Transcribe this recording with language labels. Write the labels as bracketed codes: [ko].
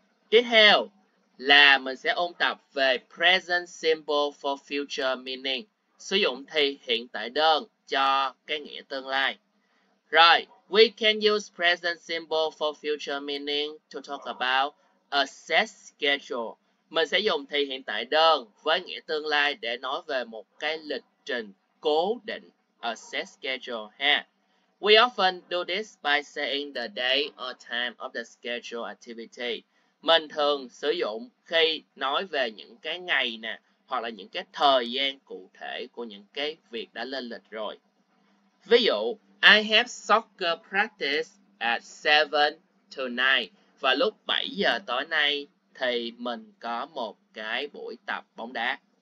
[vi] Tiếp theo là mình sẽ ôn tập về [en] present simple for future meaning, [vi] sử dụng thì hiện tại đơn cho cái nghĩa tương lai. Rồi, [en] we can use present simple for future meaning to talk about a set schedule. [vi] Mình sẽ dùng thì hiện tại đơn với nghĩa tương lai để nói về một cái lịch trình cố định, [en] a set schedule [vi] ha. [en] We often do this by saying the day or time of the scheduled activity. [vi] Mình thường sử dụng khi nói về những cái ngày nè, hoặc là những cái thời gian cụ thể của những cái việc đã lên lịch rồi. Ví dụ, [en] I have soccer practice at 7 tonight. [vi] Và lúc 7 giờ tối nay thì mình có một cái buổi tập bóng đá.